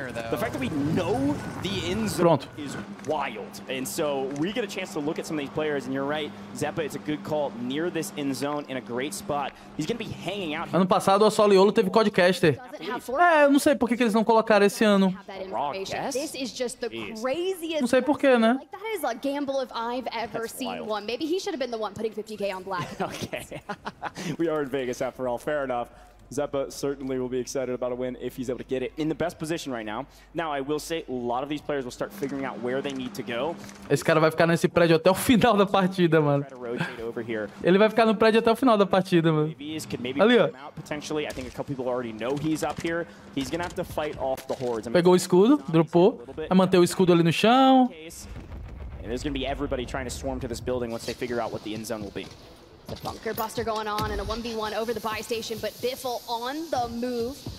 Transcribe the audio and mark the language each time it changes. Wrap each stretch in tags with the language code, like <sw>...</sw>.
<en>The fact that we know the end zone</en> <pt>Pronto.</pt> <en>Is wild. And so we get a chance to look at some of these players, and you're right, Zeppa, it's a good call near this end zone in a great spot. He's going to be hanging out.</en> <pt>Ano passado, o Assoliolo teve Codcaster. É, eu não sei por que eles não colocaram esse ano.</pt> <en>This is just the craziest.</en> <pt>Não sei por quê, né?</pt> <en>That is a gamble if I've ever seen one. Maybe he should have been the one putting 50k on black. Okay. We are in Vegas after all, fair enough. Zeppa certainly will be excited about a win if he's able to get it in the best position right now. Now, I will say, a lot of these players will start figuring out where they need to go.</en> <pt>Esse cara vai ficar nesse prédio até o final da partida, mano. Ele vai ficar no prédio até o final da partida, mano. Ali, ó.</pt> <en>Potentially, I think a couple people already know he's up here. He's gonna have to fight off the hordes.</en> <pt>Pegou o escudo, dropou. Vai manter o escudo ali no chão.</pt> <en>And there's gonna be everybody trying to swarm to this building once they figure out what the end zone will be. The bunker buster going on and a 1v1 over the buy station, but Biffle on the move.</en>